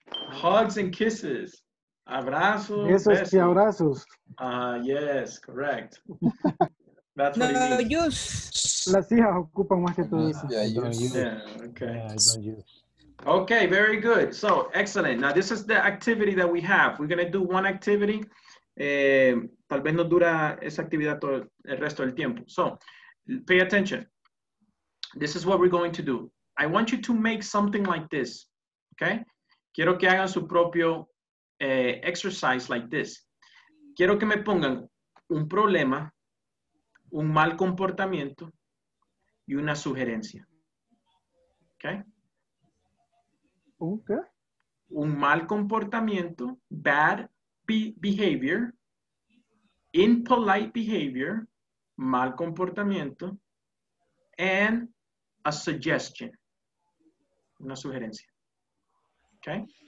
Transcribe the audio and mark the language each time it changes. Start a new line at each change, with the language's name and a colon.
English: Hugs and kisses.
Spanish: Abrazos. Besos y abrazos.
English: Yes, correct.
Spanish: No, las hijas ocupan más que todo eso.
English: Okay, very good. So, excellent. Now, this is the activity that we have. We're going to do one activity.
Spanish: Tal vez no dura esa actividad todo el resto del tiempo.
English: So, pay attention. This is what we're going to do. I want you to make something like this. Okay?
Spanish: Quiero que hagan su propio
English: exercise like this.
Spanish: Quiero que me pongan un problema, un mal comportamiento y una sugerencia.
English: Okay? Okay.
Spanish: Un mal comportamiento,
English: bad behavior, impolite behavior,
Spanish: mal comportamiento,
English: and a suggestion.
Spanish: Una sugerencia.
English: Okay?